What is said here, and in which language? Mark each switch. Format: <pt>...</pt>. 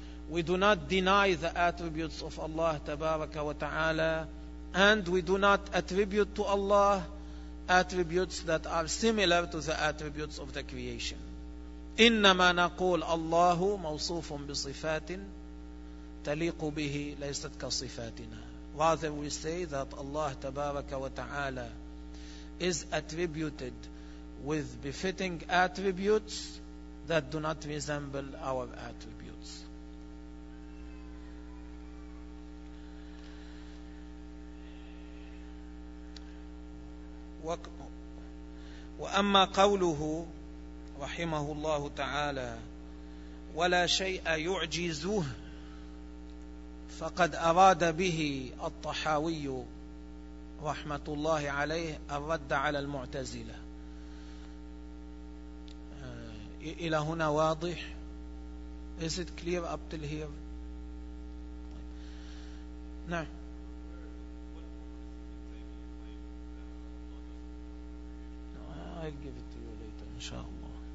<en>We do not deny the attributes of Allah</en> <ar>تبارك وتعالى,</ar> <en>and we do not attribute to Allah attributes that are similar to the attributes of the creation.</en> <ar>إنما نقول الله موصوف بصفات تليق به ليست كصفاتنا.</ar> <en>Rather we say that Allah</en> <ar>تبارك وتعالى</ar> <en>is attributed with befitting attributes that do not resemble our attributes.</en> <ar>وأما قوله رحمه الله تعالى ولا شيء يعجزه, فقد أراد به الطحاوي رحمة الله عليه الرد على المعتزلة. إلى هنا واضح؟</ar> <en>Is it clear up till here?</en> <ar>نعم.</ar> <en>I'll give it to you later</en> <ar>إن شاء الله.</ar>